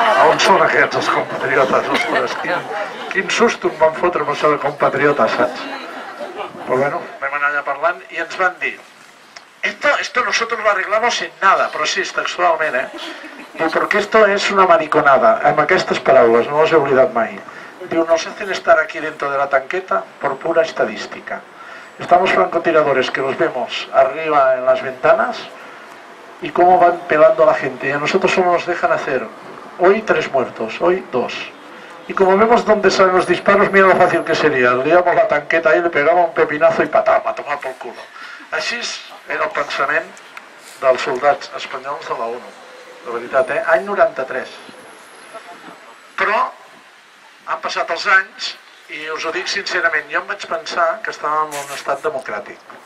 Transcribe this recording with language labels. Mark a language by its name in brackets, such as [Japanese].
[Catalan] On són aquests, els compatriotes? Ostres, quin susto em van fotre amb això de compatriotes, saps? Però bueno, vam anar allà parlant i ens van dir, [Spanish] esto nosotros lo arreglamos sin nada, [Catalan] però sí, textualment, eh? [Spanish] Porque esto es una mariconada, [Catalan] amb aquestes paraules, no les he oblidat mai. [Spanish] Diu, nos hacen estar aquí dentro de la tanqueta por pura estadística. Estamos francotiradores que los vemos arriba en las ventanas y cómo van pelando a la gente. Y a nosotros solo nos dejan hacer hoy 3 muertos, hoy 2. Y como vemos dónde salen los disparos, mira lo fácil que sería. Liamos la tanqueta y le pegamos un pepinazo y patam, a tomar por culo. [Catalan] Així era el pensament dels soldats espanyols de la ONU. De veritat, eh? Any 93. Però han passat els anys i us ho dic sincerament, jo em vaig pensar que estava en un estat democràtic.